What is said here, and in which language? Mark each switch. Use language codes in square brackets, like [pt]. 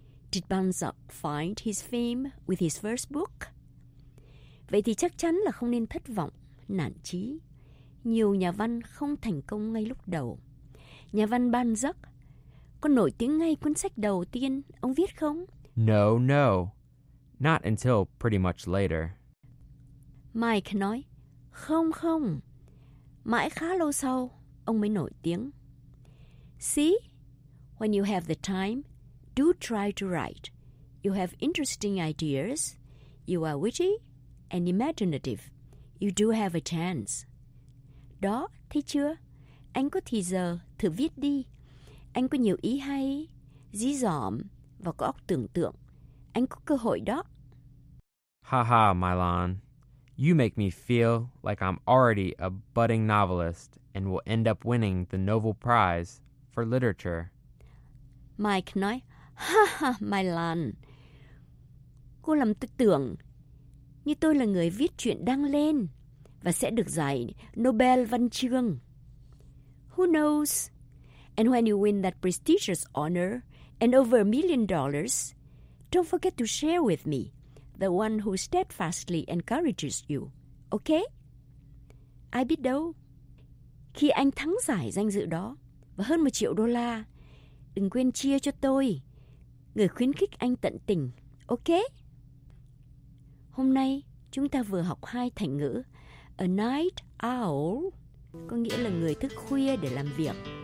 [en] Did Balzac find his fame with his first book? [vi] Vậy thì chắc chắn là không nên thất vọng, nản chí. Nhiều nhà văn không thành công ngay lúc đầu. Nhà văn Balzac có nổi tiếng ngay cuốn sách đầu tiên ông viết không? [en] No, no. Not until pretty much later. [vi] Mike nói, không, không. Mãi khá lâu sau, ông mới nổi tiếng. [en] See, when you have the time, do try to write. You have interesting ideas. You are witty and imaginative. You do have a chance. [vi] Đó, thấy chưa? Anh có thì giờ, thử viết đi. Anh có nhiều ý hay, dí dỏm và có óc tưởng tượng. Anh có cơ hội đó. [en] Ha ha, Mylon. You make me feel like I'm already a budding novelist and will end up winning the Nobel Prize for Literature. [vi] Mike nói, ha ha, Mylon. Cô làm tôi tưởng như tôi là người viết chuyện đăng lên và sẽ được giải Nobel Văn Chương. [en] Who knows? And when you win that prestigious honor and over $1 million, don't forget to share with me, the one who steadfastly encourages you. [vi] Okay? Ai biết đâu? Khi anh thắng giải danh dự đó và hơn $1 triệu, đừng quên chia cho tôi, người khuyến khích anh tận tình. Okay? Hôm nay, chúng ta vừa học 2 thành ngữ. A night owl, có nghĩa là người thức khuya để làm việc.